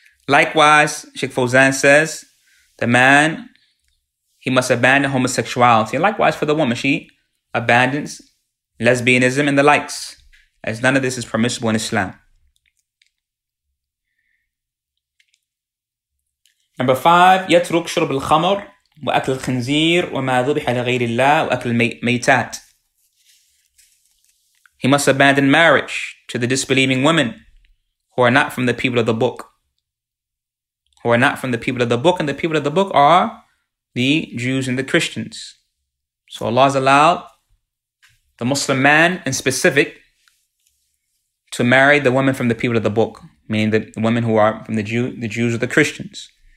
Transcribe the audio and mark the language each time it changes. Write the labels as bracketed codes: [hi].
[en] Likewise, Sheikh Fawzan says, the man, he must abandon homosexuality. And likewise for the woman, she abandons lesbianism and the likes, as none of this is permissible in Islam. Number 5, [ar] يترك شرب الخمر وأكل الخنزير وما ذبح لغير الله وأكل الميتات. [en] He must abandon marriage to the disbelieving women who are not from the people of the book. Who are not from the people of the book, and the people of the book are the Jews and the Christians. So Allah has allowed the Muslim man in specific to marry the woman from the people of the book, meaning the women who are from the Jews or the Christians.